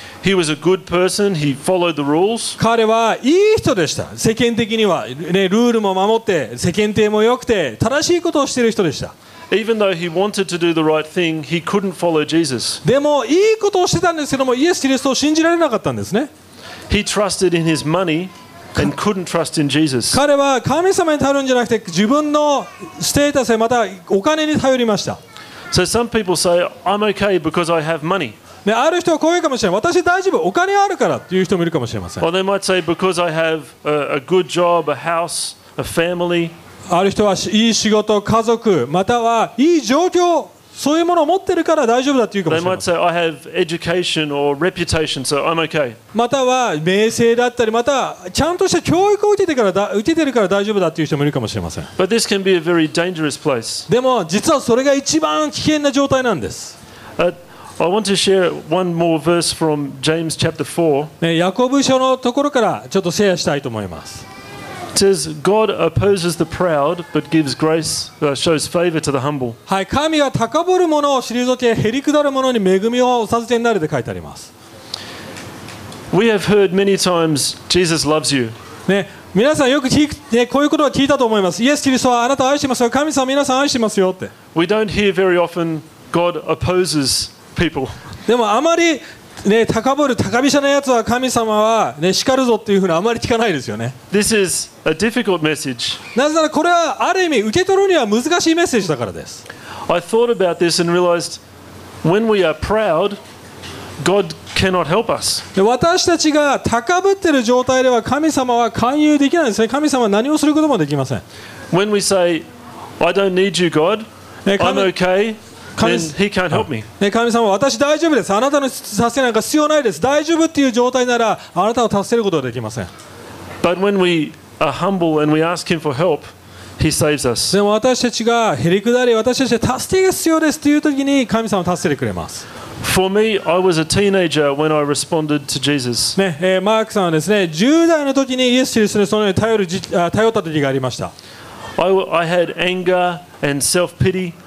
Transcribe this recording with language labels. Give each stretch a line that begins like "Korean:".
English: He was a good person. He followed the rules.
Japanese: 彼はいい人でした。世間的にはね、ルールも守って、世間体も良くて、正しいことをしている人でした。
English: Even though he wanted to do the right thing, he couldn't follow Jesus.
Japanese: でもいいことをしてたんですけども、イエス・キリストを信じられなかったんですね。
English: He trusted in his money and couldn't trust in Jesus.
Japanese: 彼は神様に頼るんじゃなくて、自分のステータスやまたお金に頼りました。
English: So some people say, I'm okay because I have money.
Japanese: ね、ある人はこう言うかもしれない。私大丈夫、お金あるからという人もいるかもしれません。
English: Or they might say, because I have a good job, a house, a family.
Japanese: ある人はいい仕事、家族、またはいい状況、そういうものを持っているから大丈夫だというかもしれません。
English: They might say, I have education or reputation, so I'm okay.
Japanese: または名声だったり、またちゃんとした教育を受けているから大丈夫だという人もいるかもしれません。
English: But this can be a very dangerous place.
Japanese: でも実はそれが一番危険な状態なんです。
English: I want to share one more verse from James chapter 4.
Japanese: ね、ヤコブ書のところからちょっとシェアしたいと思います。
English: It says, God opposes the proud, but gives grace, shows favor to the humble.
Japanese: はい、神は高ぶる者を退け、へりくだる者に恵みをお授けになるって書いてあります。
English: We have heard many times Jesus loves you.
Japanese: ね、皆さんよく聞く、ね、こういうことは聞いたと思います。イエス・キリストはあなたを愛してますよ。神様皆さん愛してますよって。
English: We don't hear very often God opposes people.
Japanese: でもあまりね、高ぶる高飛車なやつは神様は、ね、叱るぞっていうふうにあまり聞かないですよね。
English: This is a difficult message.
Japanese: なぜならこれはある意味受け取るには難しいメッセージだからです。
English: I thought about this and realized when we are proud, God cannot help us.
Japanese: 私たちが高ぶってる状態では神様は勧誘できないですね。神様は何をすることもできません。
English: When we say, I don't need you, God, I'm okay.
Japanese: 神様は私大丈夫です。あなたの助けなんか必要ないです。大丈夫っていう状態ならあなたを助けることはできません。
English: But when we are humble and we ask him for help, he saves us.
Japanese: でも私たちがへりくだり、私たちが助けが必要ですという時に神様は助けてくれます。
English: For me, I was a teenager when I responded to Jesus.
Japanese: ね、マークさんはですね、10代の時にイエス・キリストにそのように頼った時がありました。
English: I had anger and self-pity.